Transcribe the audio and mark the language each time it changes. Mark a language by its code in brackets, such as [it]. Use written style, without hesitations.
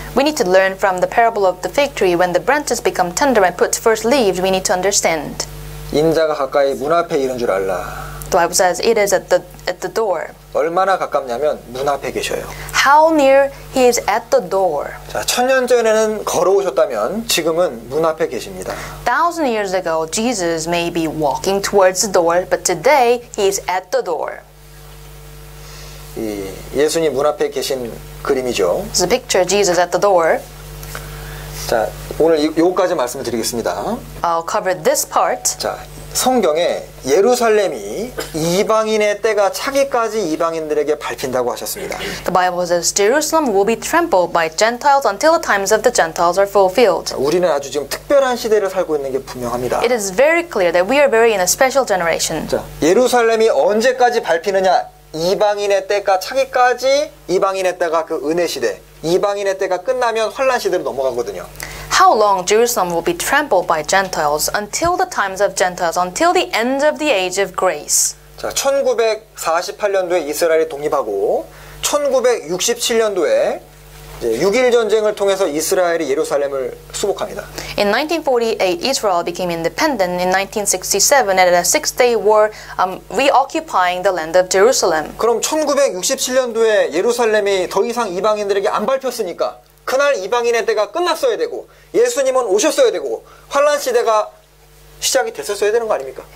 [en] We need to learn from the parable of the fig tree when the branches become tender and put first leaves. We need to understand. [ko] 인자가 가까이 문 앞에 이른 줄 알라. [en] The Bible says it is at the door. [ko] 얼마나 가깝냐면 문 앞에 계셔요. [en] How near he is at the door. [ko] 자, 천년 전에는 걸어오셨다면 지금은 문 앞에 계십니다. [en] Thousand years ago, Jesus may be walking towards the door, but today he is at the door. [ko] 이 예수님 문 앞에 계신 그림이죠. [en] It's a picture of Jesus at the door. [ko] 자, 오늘 요거까지 말씀을 드리겠습니다. [en] I'll cover this part. [ko] 자, 성경에 예루살렘이 이방인의 때가 차기까지 이방인들에게 밟힌다고 하셨습니다. [en] The Bible says Jerusalem will be trampled by Gentiles until the times of the Gentiles are fulfilled. [ko] 우리는 아주 지금 특별한 시대를 살고 있는 게 분명합니다. [en] It is very clear that we are very in a special generation. [ko] 자, 예루살렘이 언제까지 밟히느냐? 이방인의 때가 차기까지 이방인의 때가 그 은혜 시대. 이방인의 때가 끝나면 환난 시대로 넘어가거든요. [en] How long Jerusalem will be trampled by Gentiles until the times of Gentiles, until the end of the age of grace? [ko] 자, 1948년도에 이스라엘이 독립하고 1967년도에 이제 6.1 전쟁을 통해서 이스라엘이 예루살렘을 수복합니다. [en] In 1948, Israel became independent. In 1967, at a six-day war, reoccupying the land of Jerusalem. [ko] 그럼 1967년도에 예루살렘이 더 이상 이방인들에게 안 밟혔으니까 그날 이방인의 때가 끝났어야 되고 예수님은 오셨어야 되고 환난 시대가 시작이 됐었어야 되는 거 아닙니까?